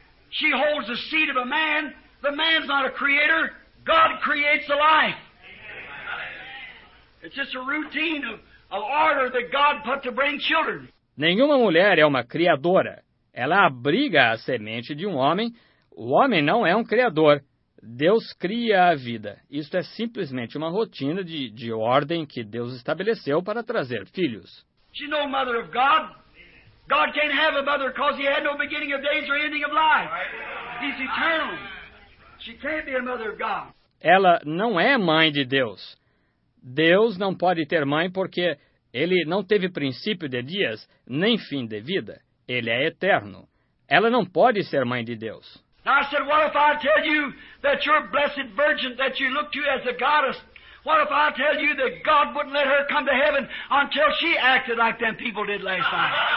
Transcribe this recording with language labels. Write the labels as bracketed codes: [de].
[en] She holds the seed of a man. The man's not a creator. God creates the life. It's just a routine of order that God put to bring children. [pt] Nenhuma mulher é uma criadora. Ela abriga a semente de um homem. O homem não é um criador. Deus cria a vida. Isto é simplesmente uma rotina de ordem que Deus estabeleceu para trazer filhos. [en] She's no mother of God. God can't have a mother because he had no beginning of days or ending of life. He's eternal. She can't be a mother of God. [pt] Ela não é mãe de Deus. Deus não pode ter mãe porque ele não teve princípio de dias nem fim de vida. Ele é eterno. Ela não pode ser mãe de Deus. [en] Now I said, what if I tell you that your blessed virgin that you look to as a goddess, what if I tell you that God wouldn't let her come to heaven until she acted like them people did last night?